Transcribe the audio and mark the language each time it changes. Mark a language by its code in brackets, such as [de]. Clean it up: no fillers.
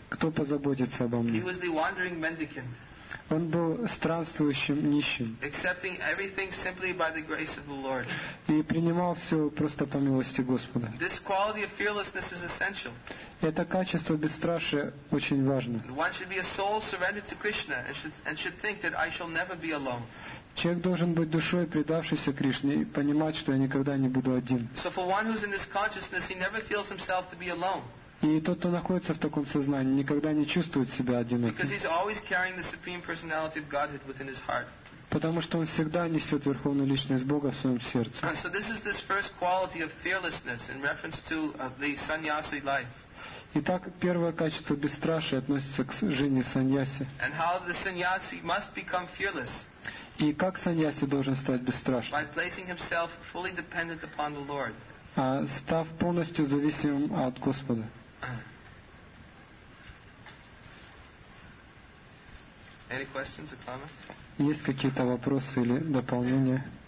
[ru] Кто позаботится обо мне? [en] He was the wandering mendicant. [ru] Он был странствующим нищим. [en] Accepting everything simply by the grace of the Lord. [ru] И принимал все просто по милости Господа. [en] This quality of fearlessness is essential. [ru] Это качество бесстрашия очень важно. [en] One should be a soul surrendered to Krishna and should think that I shall never be alone. [ru] Человек должен быть душой, предавшийся Кришне, и понимать, что я никогда не буду один. [en] So for one who's in this consciousness, he never feels himself to be alone. [ru] И тот, кто находится в таком сознании, никогда не чувствует себя одиноким. [en] Because he's always carrying the supreme personality of Godhead within his heart. [ru] Потому что он всегда несет верховную личность Бога в своем сердце. [en] And so this is this first quality of fearlessness in reference to the sannyasi life. [ru] Итак, первое качество бесстрашия относится к жизни саньяси. [en] And how the sannyasi must become fearless. [ru] И как саньяси должен стать бесстрашным? [en] By placing himself fully dependent upon the Lord. [ru] Став полностью зависимым от Господа. [en] Any questions or comments? [ru] Есть какие-то вопросы или дополнения?